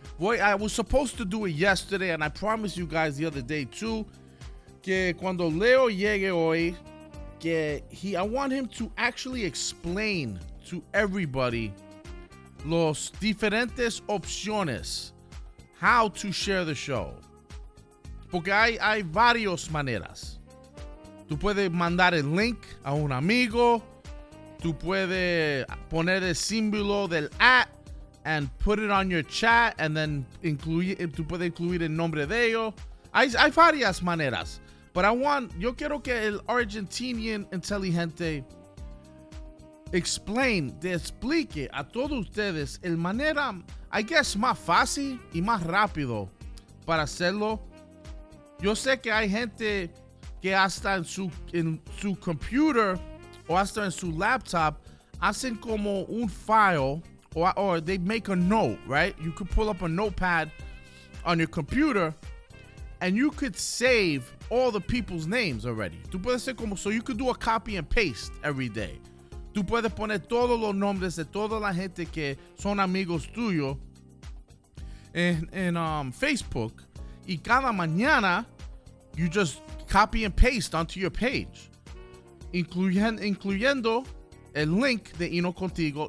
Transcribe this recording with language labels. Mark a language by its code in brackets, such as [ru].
[en] Boy, I was supposed to do it yesterday and I promised you guys the other day too [es] que cuando Leo llegue hoy, que he, [en] I want him to actually explain to everybody [es] los diferentes opciones [en] how to share the show. [es] Porque hay varias maneras. Tú puedes mandar el link a un amigo. Tú puedes poner el símbolo del at [en] and put it on your chat and then [es] incluir, tú puedes incluir el nombre de ellos. Hay varias maneras. [en] But I want, [es] yo quiero que el Argentinian inteligente explain, te explique a todos ustedes el manera, [en] I guess, [es] más fácil y más rápido para hacerlo. Yo sé que hay gente que hasta en su computer o hasta en su laptop hacen como un file [en] or they make a note, right? You could pull up a notepad on your computer and you could save all the people's names already. [es] Tú puedes hacer como, [en] so you could do a copy and paste every day. [es] Tú puedes poner todos los nombres de toda la gente que son amigos tuyos en Facebook. Y cada mañana, [en] you just copy and paste onto your page. [es] Incluyendo el link de Hino Contigo.